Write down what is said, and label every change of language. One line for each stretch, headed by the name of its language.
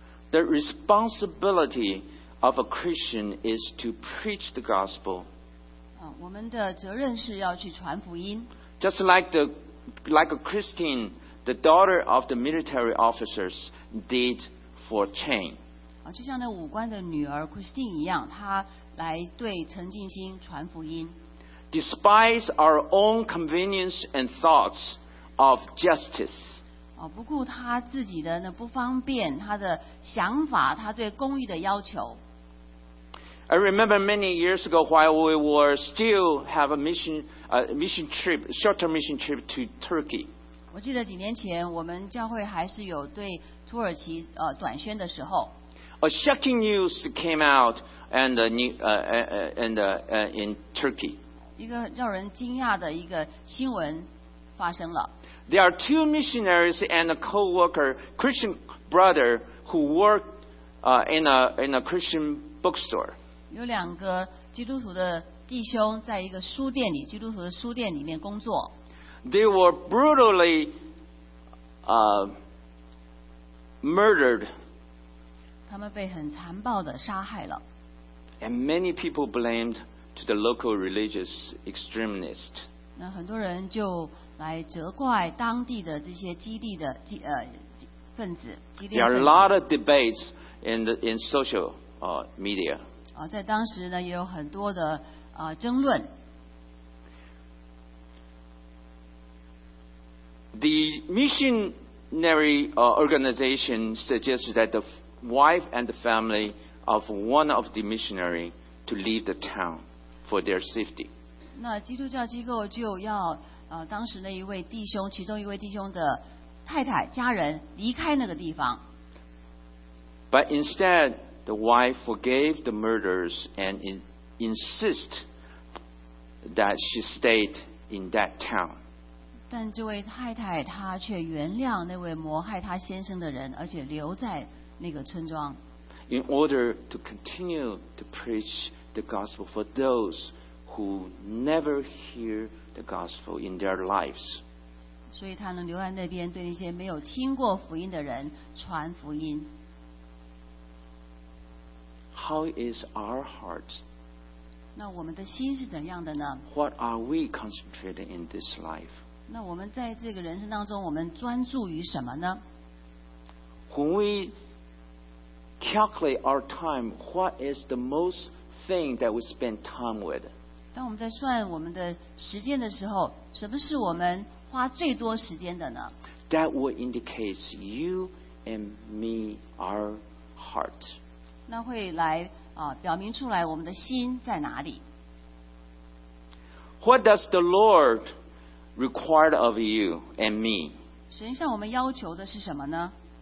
English: The responsibility of a Christian is to preach the gospel.
Chinese: 我们的责任是要去传福音。
English: Just like a Christine, the daughter of the military officers, did for Chang.
Chinese: 就像那武官的女儿 Christine 一样，她来对陈静心传福音。
English: Despise our own convenience and thoughts of justice.
Chinese: 不顾她自己的那不方便，她的想法，她对公义的要求。
English: I remember many years ago while we were still have a short-term mission trip to Turkey.
Chinese: 我记得几年前我们教会还是有对土耳其短宣的时候。
English: A shocking news came out in Turkey.
Chinese: 一个让人惊讶的一个新闻发生了。
English: There are two missionaries and a co-worker, Christian brother, who work in a Christian bookstore.
Chinese: 有两个基督徒的弟兄在一个书店里，基督徒的书店里面工作。
English: They were brutally murdered.
Chinese: 他们被很残暴的杀害了。
English: And many people blamed to the local religious extremist.
Chinese: 那很多人就来责怪当地的这些激烈的分子。
English: There are a lot of debates in social media.
Chinese: 在当时呢，也有很多的争论。
English: The missionary organization suggests that the wife and the family of one of the missionary to leave the town for their safety.
Chinese: 那基督教机构就要当时那一位弟兄，其中一位弟兄的太太家人离开那个地方。
English: But instead. The wife forgave the murderers and insist that she stayed in that town.
Chinese: 但这位太太她却原谅那位谋害她先生的人，而且留在那个村庄。
English: In order to continue to preach the gospel for those who never hear the gospel in their lives.
Chinese: 所以她能留在那边，对那些没有听过福音的人传福音。
English: How is our heart?
Chinese: 那我们的心是怎样的呢?
English: What are we concentrating in this life?
Chinese: 那我们在这个人生当中，我们专注于什么呢?
English: When we calculate our time, what is the most thing that we spend time with?
Chinese: 当我们在算我们的时间的时候，什么是我们花最多时间的呢?
English: That will indicate you and me, our heart.
Chinese: 那会来表明出来我们的心在哪里。
English: What does the Lord require of you and me?
Chinese: 神向我们要求的是什么呢？